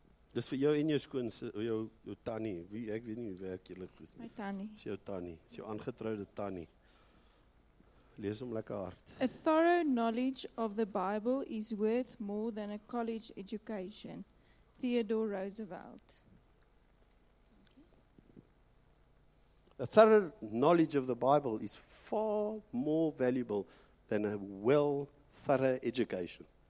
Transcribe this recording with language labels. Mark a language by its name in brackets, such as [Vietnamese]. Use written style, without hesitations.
[Afrikaans] Dis vir jou en jou skoon, jou tannie, wie, ek weet nie hoe werk jylle goed. My tannie. Is jou tannie, is jou aangetrouwde tannie. Lees hom lekker hard. [English] A thorough knowledge of the Bible is worth more than a college education. Theodore Roosevelt. A thorough knowledge of the Bible is far more valuable than a well thorough education.